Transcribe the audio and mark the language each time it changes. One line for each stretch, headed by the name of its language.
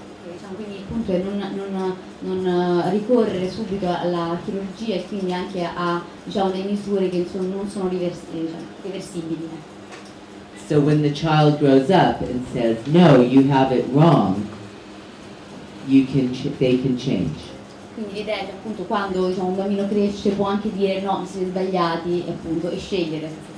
Italian: Diciamo quindi il punto è non ricorrere subito alla chirurgia e quindi anche a diciamo delle misure che insomma non sono reversibili.
English: So when the child grows up and says no, you have it wrong, they can change.
Italian: Quindi l'idea è appunto quando diciamo un bambino cresce può anche dire no, si è sbagliati e appunto e scegliere.